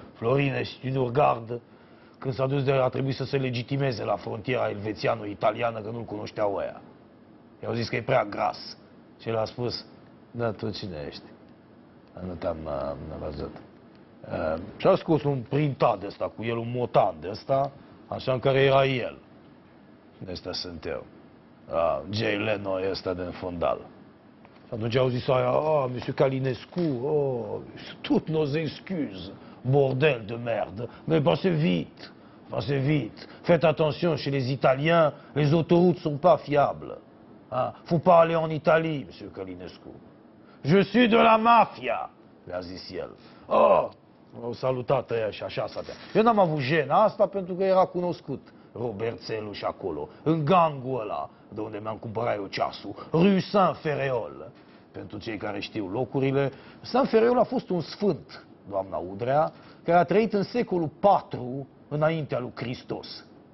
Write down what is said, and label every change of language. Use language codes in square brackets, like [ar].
[ro] Florin ești un urgard. Când s-a dus de aia, a trebuit să se legitimeze la frontiera elvețiană-italiană, că nu-l cunoșteau aia. I-au zis că e prea gras. Și el a spus, da, tu cine ești? Nu te-am văzut. Și a scos un printat de ăsta cu el, un motan de ăsta, așa, în care era el. De ăsta sunt eu. Jay Leno e ăsta de-n fundal. [fr] Atunci au zis aia, monsieur Călinescu, tout nos excuses, bordel de merde, mais passez vite, faites attention chez les Italiens, les autoroutes sont pas fiables. Ah, faut pas aller en Italie, monsieur Călinescu. Je suis de la mafia, [ro] le-a zis el. Au salutat aia și așa s-a dea. Eu n-am avut jena asta pentru că era cunoscut Robert Țelu și acolo, în gangul ăla de unde mi-am cumpărat eu ceasul, Rue Saint-Ferréol, pentru cei care știu locurile. Saint-Ferréol a fost un sfânt, doamna Udrea, care a trăit în secolul IV înaintea lui Hristos.